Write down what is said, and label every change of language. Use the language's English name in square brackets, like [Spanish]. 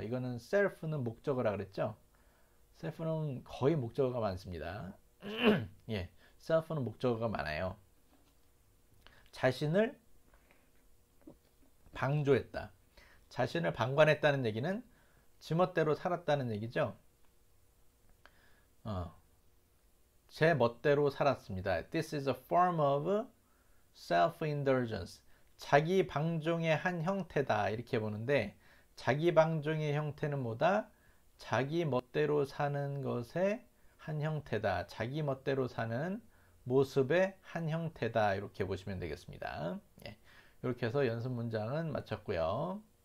[Korean] 이거는 self는 목적어라 그랬죠? self는 거의 목적어가 많습니다. 예. self는 목적어가 많아요. 자신을 방조했다. 자신을 방관했다는 얘기는 지멋대로 살았다는 얘기죠. 제 멋대로 살았습니다. [English] This is a form of self-indulgence. [Korean] 자기 방종의 한 형태다. 이렇게 보는데, 자기 방종의 형태는 뭐다? 자기 멋대로 사는 것의 한 형태다. 자기 멋대로 사는 모습의 한 형태다. 이렇게 보시면 되겠습니다. 예. 이렇게 해서 연습 문장은 마쳤고요.